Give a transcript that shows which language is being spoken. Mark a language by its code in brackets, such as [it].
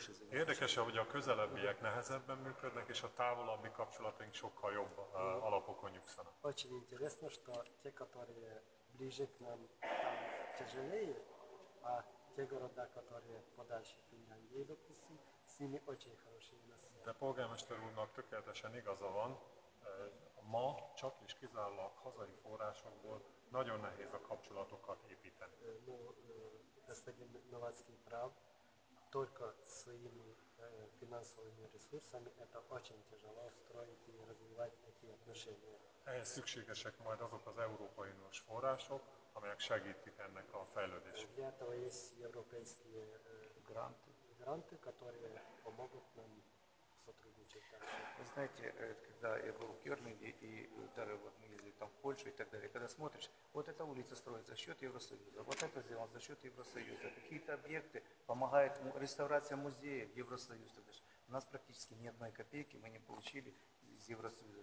[hu] Érdekes, hogy a közelebbiek nehezebben működnek, és a távolabbi kapcsolataink sokkal jobb alapokon nyugszanak. [ru] Очень интересно, что те, которые ближе к нам, там тяжелее, а те города, которые подальше к нам не допустим, с ними очень хорошие наши. [hu] De polgármester úrnak tökéletesen igaza van, ma csak és kizárólag hazai forrásokból nagyon nehéz a kapcsolatokat építeni. [ru] Господин Новацкий прав, только своими финансовыми ресурсами это очень тяжело строить и развивать эти отношения. [hu] Ehhez szükségesek majd azok az európai uniós források, amelyek segítik ennek a fejlődését. [ru] Для этого есть европейские гранты, которые помогут нам сотрудничать дальше. Вы знаете, когда я был в Кёрнинге и даже вот мы ездили там в Польшу и так далее, когда смотришь, вот эта улица строится за счет Евросоюза, вот это сделано за счет Евросоюза, какие-то объекты помогают, реставрация музеев, Евросоюз, то бишь, у нас практически ни одной копейки мы не получили из Евросоюза.